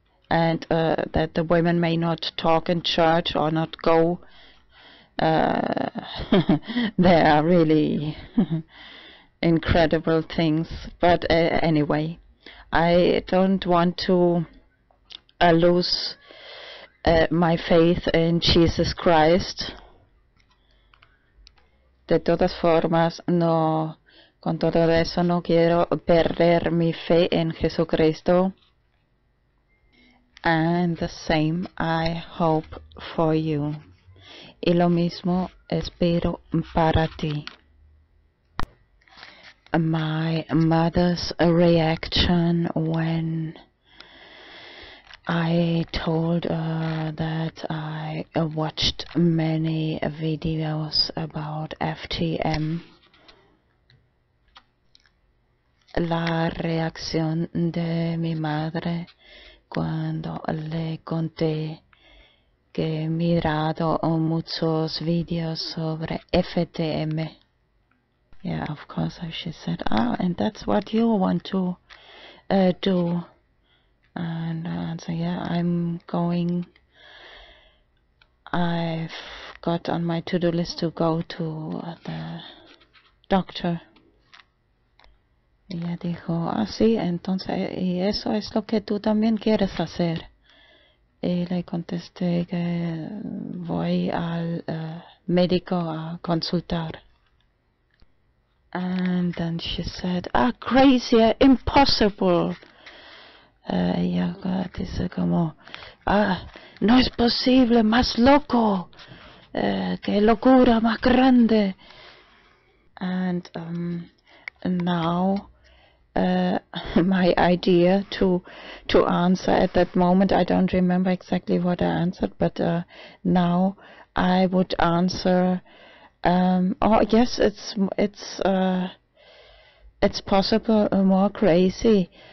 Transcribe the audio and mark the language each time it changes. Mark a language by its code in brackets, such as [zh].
[en] and that the women may not talk in church or not go there are really incredible things, but anyway, I don't want to lose my faith in Jesus Christ. [es] De todas formas, no, con todo eso no quiero perder mi fe en Jesucristo. [en] And the same I hope for you. [es] Y lo mismo espero para ti. [en] My mother's reaction when I told that I watched many videos about FTM. [es] La reacción de mi madre cuando le conté que he mirado muchos videos sobre FTM. [en] Yeah, of course, she said, "Ah, and that's what you want to do." And I answer, "Yeah, I'm going. I've got on my to-do list to go to the doctor." [es] Ella dijo, "Ah, sí, entonces, y eso es lo que tú también quieres hacer." Y le contesté que voy al médico a consultar. [en] And then she said, "Ah, crazy, impossible." [es] Ella dice como, "Ah, no es posible, más loco, qué locura más grande." [en] And now my idea to answer at that moment, I don't remember exactly what I answered, but now I would answer, oh yes, it's possible, more crazy.